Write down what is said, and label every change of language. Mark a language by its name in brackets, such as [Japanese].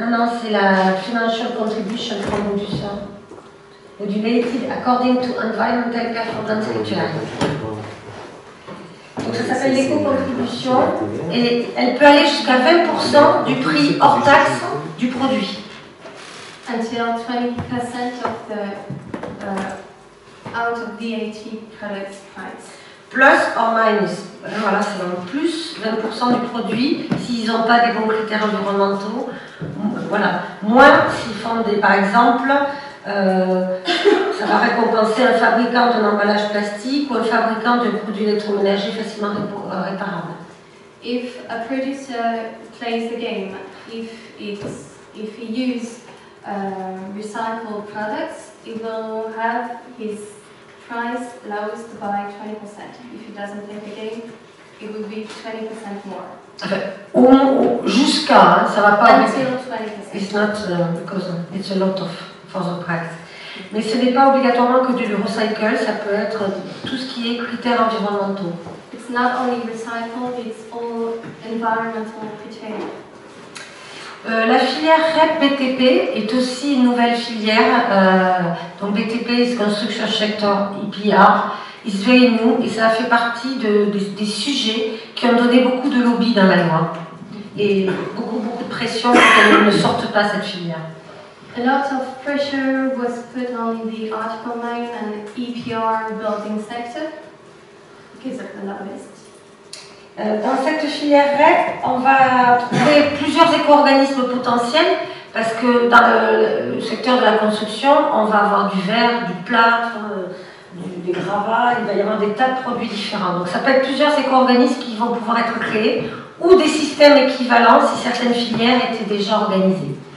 [French] Non, c'est la Financial Contribution from Producer. Ou du Related According to Environmental Performance Criteria. Donc ça s'appelle l'éco-contribution et elle peut aller jusqu'à 20% du prix hors taxe du produit. [English] Until 20% of the out of VAT product price. Plus or minus. [French] Voilà, c'est donc plus 20% du produit s'ils n'ont pas des bons critères environnementaux. Voilà. Moins s'ils font des, par exemple, ça va récompenser un fabricant d'un emballage plastique ou un fabricant d'un produit électroménager facilement réparable. [English] If a producer plays the game, if he uses recycled products, it will have his price lowest by 20%. If he doesn't think again, it will be 20% more. [French] Jusqu'à, ça va pas. [English] Until 20%. It's not because it's a lot of for the price. [French] Mais ce n'est pas obligatoirement que du recycle, ça peut être tout ce qui est critères environnementaux. [English] It's not only recycled, it's all environmental criteria. [French] La filière REP BTP est aussi une nouvelle filière. Donc BTP [English] is Construction Sector EPR. It's very new [French] et ça fait partie des sujets qui ont donné beaucoup de lobby dans la loi. Et beaucoup de pression pour qu'elle ne sorte pas cette filière. [English] A lot of pressure was put on the Article 9 and the EPR building sector because of the lobbyists. [French] Dans cette filière REP, on va trouver plusieurs éco-organismes potentiels parce que dans le secteur de la construction, on va avoir du verre, du plâtre, des gravats, il va y avoir des tas de produits différents. Donc ça peut être plusieurs éco-organismes qui vont pouvoir être créés ou des systèmes équivalents si certaines filières étaient déjà organisées.